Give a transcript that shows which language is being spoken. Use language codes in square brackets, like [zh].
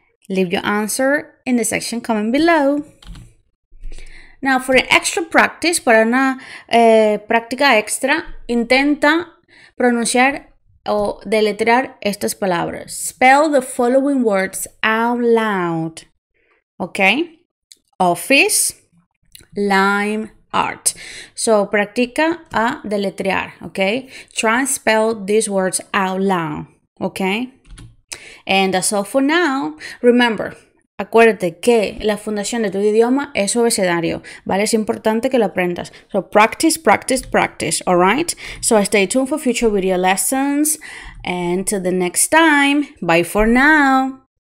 [en] Leave your answer in the section comment below. Now, for an extra practice, [es] para una práctica extra, intenta pronunciar o deletrear estas palabras. [en] Spell the following words out loud. Okay? Office, lime, art. So, [es] practica a deletrear, [en] okay? Try and spell these words out loud, okay? And that's all for now. [es] Remember, acuérdate que la fundación de tu idioma es su abecedario, ¿vale? Es importante que lo aprendas. [en] So, practice, practice, practice, all right? So, stay tuned for future video lessons. And till the next time, bye for now.